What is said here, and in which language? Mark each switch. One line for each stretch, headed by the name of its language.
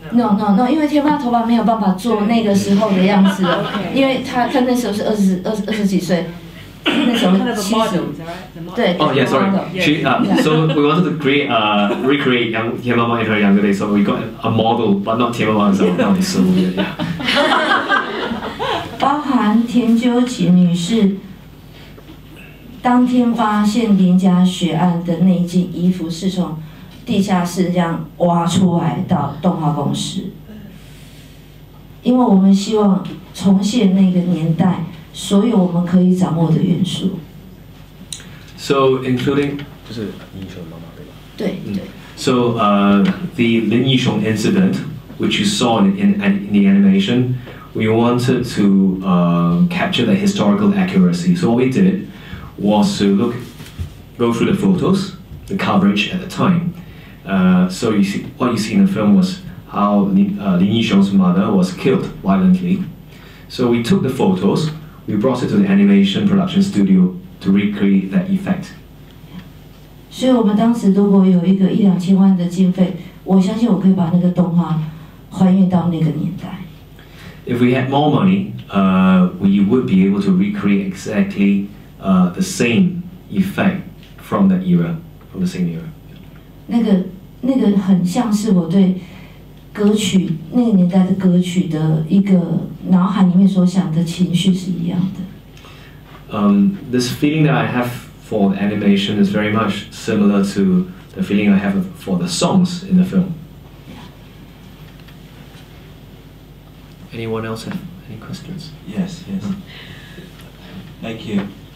English: No. Because
Chinese: Tian Mama's 头发没有办法做那个时候的样子了，因为她那时候是二十几岁，那时候七十。
English: Kind of a model, The model. Oh yeah, sorry. So we wanted to recreate young Tian Mama in her younger days. So we got a model, but not Tian Mama herself. That is so weird. Yeah.
Chinese: 包含田秋琴女士当天发现林家血案的那件衣服是从地下室这样挖出来到动画公司，因为我们希望重现那个年代所有我们可以掌握的元素。
English: So including
Chinese: 就是英雄妈妈对吧？对对。
English: So the 林英雄 incident. Which you saw in the animation, we wanted to capture the historical accuracy. So what we did was to go through the photos, the coverage at the time. So you see, what you see in the film was how Lin Yisheng's mother was killed violently. So we took the photos, we brought it to the animation production studio to recreate that effect.
Chinese: 所以我们当时如果有一个一两千万的经费，我相信我可以把那个动画。还原到那个年代。
English: If we had more money, we would be able to recreate exactly the same effect from that era, from the same era.
Chinese: 那个很像是我对歌曲那个年代的歌曲的一个脑海里面所想的情绪是一样的。
English: this feeling that I have for the animation is very much similar to the feeling I have for the songs in the film. Anyone else have any questions? Yes. Thank you.